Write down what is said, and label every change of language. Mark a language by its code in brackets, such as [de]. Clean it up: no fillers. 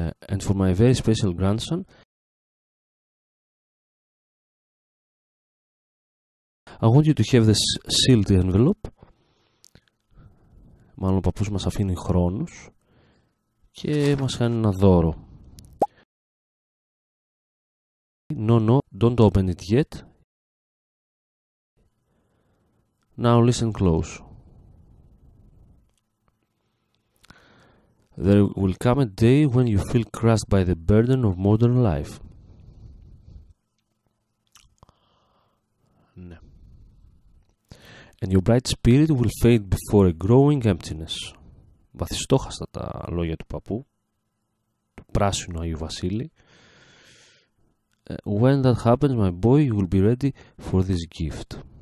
[en] And for my very special grandson. I want you to have this sealed envelope. [el] Μάλλον ο παππούς μας αφήνει χρόνους και μας κάνει ένα δώρο. [en] No, no, don't open it yet. Now listen close. There will come a day when you feel crushed by the burden of modern life. [el] Ναι. [en] And your bright spirit will fade before a growing emptiness. [el] Βαθιστόχαστα τα λόγια του παππού, του πράσινου Αγίου Βασίλη. [en] When that happens, my boy, you will be ready for this gift.